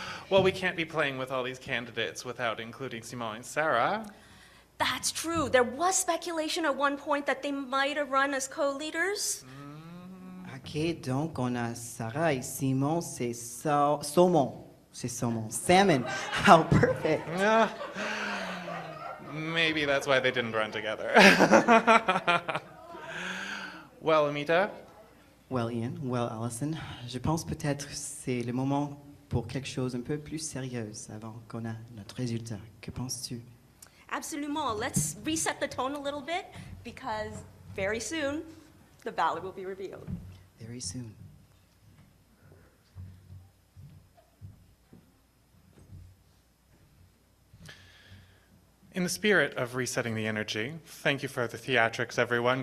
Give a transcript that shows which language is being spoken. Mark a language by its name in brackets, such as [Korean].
[English] Well, we can't be playing with all these candidates without including Simon and Sarah. That's true. There was speculation at one point that they might have run as co-leaders. [French] Okay, donc on a Sarah et Simon, c'est saumon. C'est saumon. [English] Salmon. How perfect. Maybe that's why they didn't run together. Well, Amita? Well, Ian. Well, Allison. [French] Je pense peut-être c'est le moment pour quelque chose un peu plus sérieux avant qu'on a notre résultat. Que penses-tu? Absolument. [English] Let's reset the tone a little bit, because very soon, the ballot will be revealed. Very soon. In the spirit of resetting the energy, thank you for the theatrics, everyone.